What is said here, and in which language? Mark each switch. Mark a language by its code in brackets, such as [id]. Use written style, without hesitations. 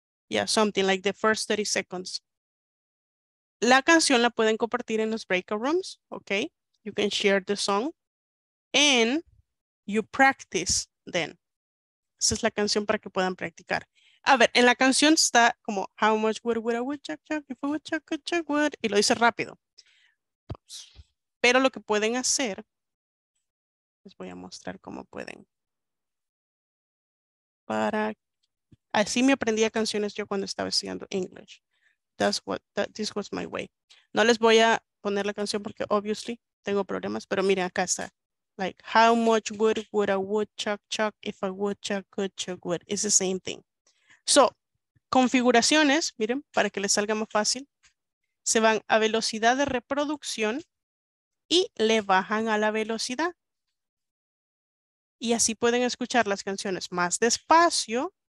[en] Yeah, something like the first 30 seconds. [es] La canción la pueden compartir en los breakout rooms, okay? [en] You can share the song and you practice then. [es] Esa es la canción para que puedan practicar. A ver, en la canción está como [en] how much would a woodchuck chuck if a woodchuck could chuck wood, [es] y lo dice rápido. Pero lo que pueden hacer, les voy a mostrar cómo pueden. Para así me aprendía canciones yo cuando estaba estudiando English. [en] This was my way. [es] No les voy a poner la canción porque obviously tengo problemas, pero miren, acá está. [en] Like, how much wood would a woodchuck chuck if a woodchuck could chuck wood? It's the same thing. [es] So, configuraciones, miren, para que les salga más fácil. Se van a velocidad de reproducción y le bajan a la velocidad. Y así pueden escuchar las canciones más despacio.